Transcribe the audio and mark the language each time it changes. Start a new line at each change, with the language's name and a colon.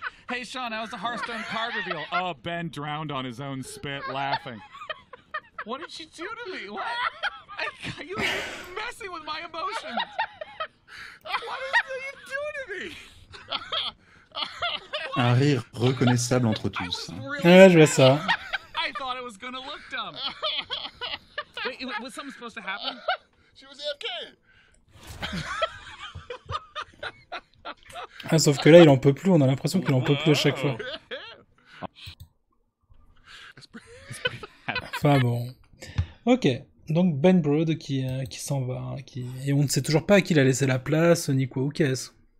English: Hey Sean, how was the Hearthstone card reveal? Oh, Ben drowned on his own spit laughing. What did you do to me? What? You messing with my emotions. What are you doing to me?
French: Un rire reconnaissable entre tous. Ouais, je vois ça.
English: I thought it was gonna look dumb. Wait, was something supposed to happen? She was AFK.
French: Ah, sauf que là, il en peut plus, on a l'impression qu'il en peut plus à chaque fois. Enfin bon. Ok, donc Ben Broad qui s'en va. Et on ne sait toujours pas à qui il a laissé la place, ni quoi ou qu'est-ce.